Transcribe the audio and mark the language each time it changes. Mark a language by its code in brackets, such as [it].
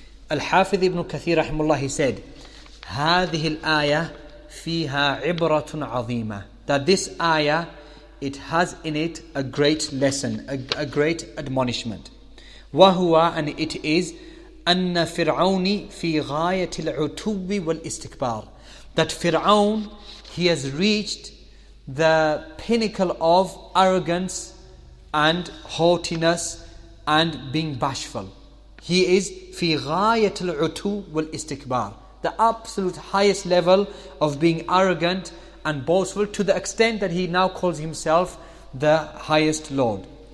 [en] Al-Hafidh ibn Kathir rahimullah, he said, [ar] هَذِهِ الْآيَةِ فِيهَا عِبْرَةٌ عَظِيمَةٌ. [en] That this ayah, it has in it a great lesson, a great admonishment. [ar] وَهُوَ, [en] and it is, [ar] أَنَّ فِرْعَوْنِ فِي غَايَةِ الْعُتُوِّ وَالْإِسْتِكْبَارِ. [en] That Fir'aun, he has reached the pinnacle of arrogance and haughtiness and being bashful. He is [ar] fi ghayat al-utu wal-istikbar, [en] the absolute highest level of being arrogant and boastful, to the extent that he now calls himself the highest Lord.